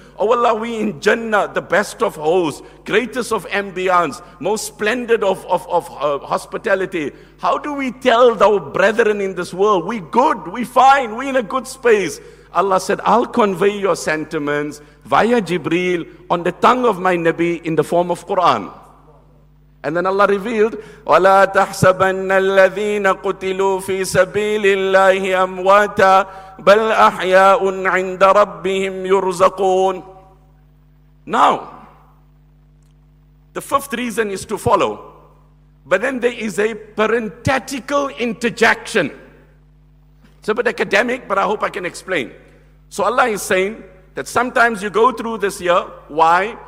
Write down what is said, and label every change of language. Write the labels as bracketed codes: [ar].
[en] Oh Allah, we in Jannah, the best of hosts, greatest of ambience, most splendid of hospitality. How do we tell our brethren in this world, we good, we fine, we in a good space? Allah said, I'll convey your sentiments via Jibreel on the tongue of my Nabi in the form of Quran. And then Allah revealed, [ar] وَلَا تَحْسَبَنَّ الَّذِينَ قُتِلُوا فِي سَبِيلِ اللَّهِ أَمْوَاتًا بَلْ أَحْيَاءٌ عِنْدَ رَبِّهِمْ يُرْزَقُونَ. [en] Now, the fifth reason is to follow. But then there is a parenthetical interjection. It's a bit academic, but I hope I can explain. So Allah is saying that sometimes you go through this year. Why?